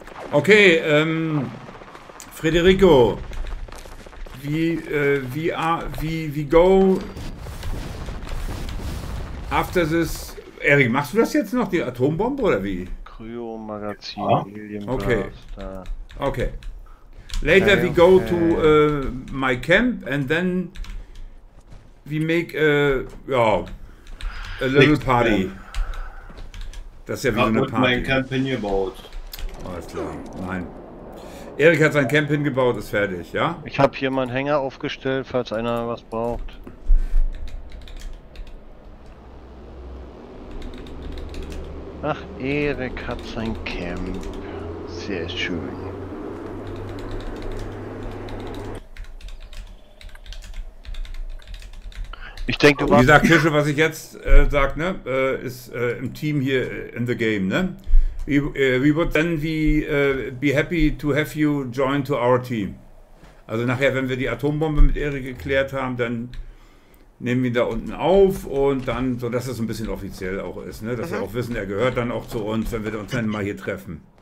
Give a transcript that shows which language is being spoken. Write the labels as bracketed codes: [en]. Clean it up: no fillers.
[en] Okay, Federico. Wie go after this. [de] Erik, machst du das jetzt noch, die Atombombe oder wie? Kryo-Magazin, Helium. Ah. [en] Okay. Okay. Later okay, we go okay. To my camp and then we make a little next party. [de] Camp. Das ist ja wie so eine Party. Mein Camp hingebaut. Alles klar. Nein. Erik hat sein Camp hingebaut, ist fertig, ja? Ich habe hier meinen Hänger aufgestellt, falls einer was braucht. Ach, Erik hat sein Camp. Sehr schön. denke, du warst. Wie gesagt, Kirsche, was ich jetzt sage, ne, ist im Team hier [en] in the game. [de] Ne? [en] We would then be happy to have you join to our team. [de] Also nachher, wenn wir die Atombombe mit Erik geklärt haben, dann nehmen wir ihn da unten auf und dann, so dass es ein bisschen offiziell auch ist, ne? Dass wir auch wissen, er gehört dann auch zu uns, wenn wir uns dann mal hier treffen.